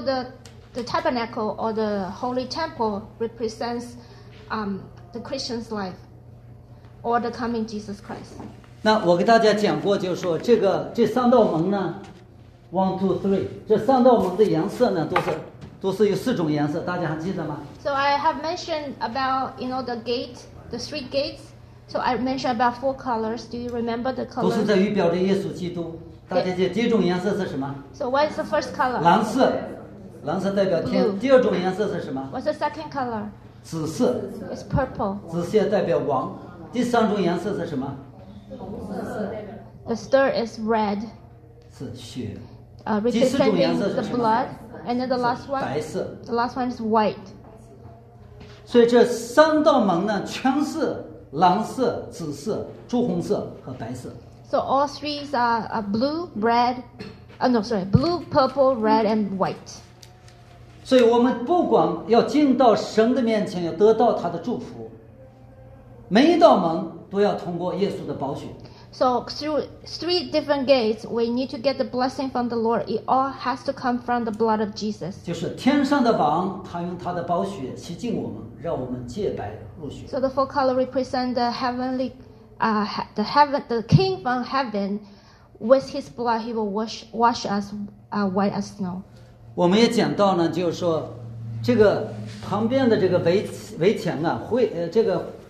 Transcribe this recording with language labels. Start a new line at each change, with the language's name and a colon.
English: the tabernacle or the holy temple represents the Christian's life or the coming Jesus Christ.
Chinese: 那我给大家讲过，就是说这三道门呢， 1, 2, 3， 这三道门的颜色呢都是。都是有四种颜色，大家还记得吗？
English: So I have mentioned about, you know, the gate The three gates. So I mentioned about four colors. Do you remember the colors?
Chinese: 都是在于表的耶稣基督。大姐姐，第一种颜色是什么？
English: So what is the first color?
Chinese: 蓝色，蓝色代表天。
English: Blue.
Chinese: 第二种颜色是什么？
English: What's the second color?
Chinese: 紫色。
English: It's purple.
Chinese: 紫色代表王。第三种颜色是什么？
English: The third is red.
Chinese: 是血。
English: Representing the blood. And then the last one.
Chinese: 白色。
English: The last one is white.
Chinese: 所以这三道门呢，全是蓝色、紫色、朱红色和白色。
English: So all three are blue, red. Blue, purple, red, and white.
Chinese: 所以我们不管要进到神的面前，要得到他的祝福，每一道门都要通过耶稣的宝血。
English: So through three different gates, we need to get the blessing from the Lord. It all has to come from the blood of Jesus.
Chinese: 就是天上的王，他用他的宝血洗净我们，让我们洁白入血。
English: So the four colors represent the heavenly, the King from heaven. With his blood, he will wash us, white as snow.
Chinese: 我们也讲到呢，就是说，这个旁边的这个围墙啊，会这个。